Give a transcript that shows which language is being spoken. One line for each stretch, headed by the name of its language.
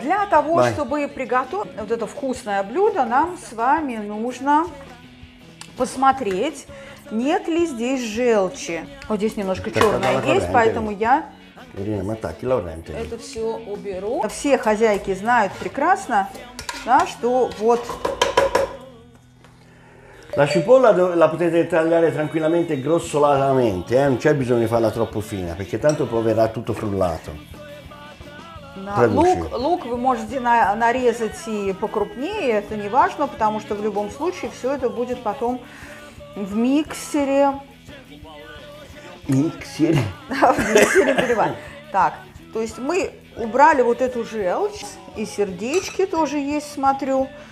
Russian: Для того, чтобы приготовить вот это вкусное блюдо, нам с вами нужно посмотреть, нет ли здесь желчи. Вот здесь немножко черная есть, поэтому я... Ирина, мы так, и лавренты. Это все уберу. Все хозяйки знают прекрасно, да, что вот...
Italian: La cipolla la potete tagliare tranquillamente grossolanamente, non c'è bisogno di farla troppo fina, perché tanto poi verrà tutto frullato.
Russian: Да, лук вы можете нарезать и покрупнее, это не важно, потому что в любом случае все это будет потом в миксере. Миксере? В миксере переваривать. Так, то есть мы убрали вот эту желчь, и сердечки тоже есть, смотрю.